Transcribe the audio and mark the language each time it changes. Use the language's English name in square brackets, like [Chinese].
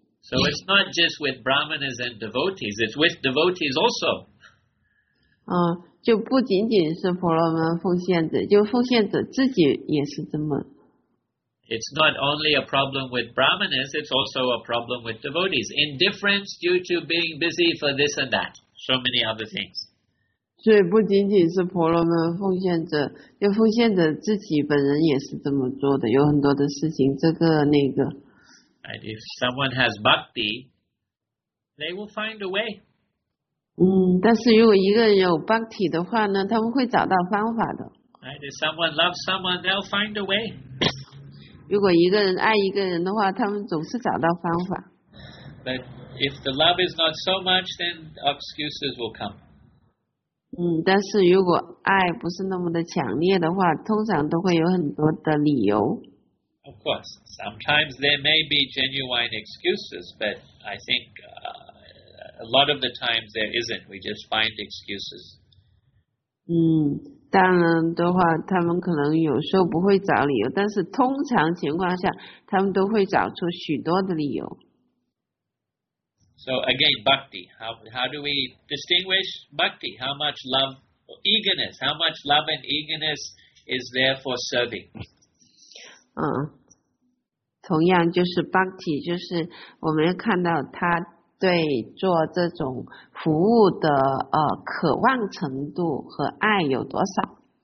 [English] So it's not just with brahmanas and devotees; it's with devotees also. [Chinese] 就不仅仅是婆罗门奉献者，就奉献者自己也是这么。 [English] It's not only a problem with brahmanas, it's also a problem with devotees. Indifference due to being busy for this and that. So many other things. [Chinese] 所以不仅仅是婆罗门奉献者，因为奉献者自己本人也是这么做的，有很多的事情，这个那个。 [English] And if someone has bhakti, they will find a way. [Chinese] 但是如果一个人有 bhakti 的话呢，他们会找到方法的。 [English] And if someone loves someone, they'll find a way. [Chinese] 如果一个人爱一个人的话，他们总是找到方法。 [English] But if the love is not so much, then excuses will come. [Chinese] 但是如果爱不是那么的强烈的话，通常都会有很多的理由。 [English] Of course, sometimes there may be genuine excuses, but I think a lot of the times there isn't. We just find excuses. [Chinese] 当然的话，他们可能有时候不会找理由，但是通常情况下，他们都会找出许多的理由。 [English] So again, bhakti. How do we distinguish bhakti? How much love, eagerness? How much love and eagerness is there for serving? [Chinese] 同样就是 bhakti， 就是我们看到他对做这种服务的渴望程度和爱有多少。